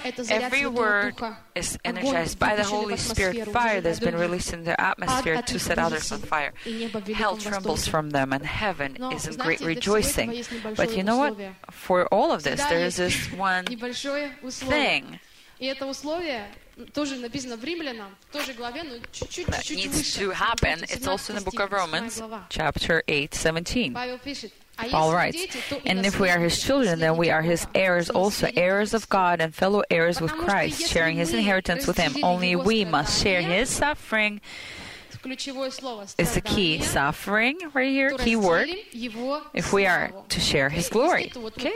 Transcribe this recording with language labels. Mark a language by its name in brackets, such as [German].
[English] Every word is energized by the Holy Spirit, fire that's been released in their atmosphere to set others on fire. Hell trembles from them and heaven is in great rejoicing. But you know what? For all of this, there is this one thing. [Russian] И это условие тоже написано в Римлянам, в той же главе, но чуть-чуть выше. [English] To happen. It's also in the book of Romans, chapter 8, 17. [Russian] Павел пишет. [English] Paul writes, and if we are his children, then we are his heirs also, heirs of God and fellow heirs with Christ, sharing his inheritance with him. Only we must share his suffering. It's the key, suffering, right here, key word, if we are to share His glory. Okay?